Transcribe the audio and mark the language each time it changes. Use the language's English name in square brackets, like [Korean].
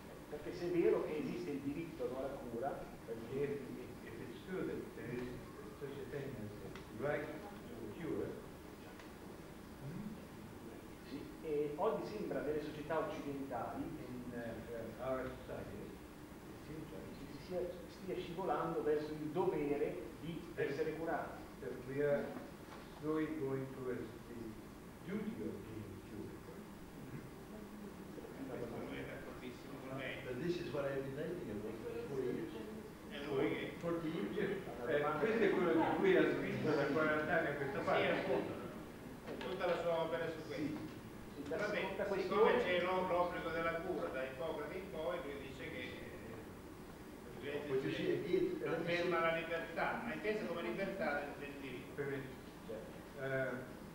[Italian] Perché se è vero che esiste il diritto alla cura, [English] if it's true that there is such a thing as a right to cure. [Italian] Sì, e oggi sembra delle società occidentali [English] in our society [Italian] stia scivolando verso il dovere di essere curati. [English] That we are slowly going towards the duty of being cured. Mm-hmm. But this is what I've been thinking about for 4 years. [Italian] Questo è quello di cui ha scritto da 40 anni a questa parte. Sì, appunto. Tutta la sua opera su questo. Va bene, siccome c'è l'obbligo della cura da Ippocrate in poi, lui dice che conferma la libertà, ma intesa come libertà del diritto.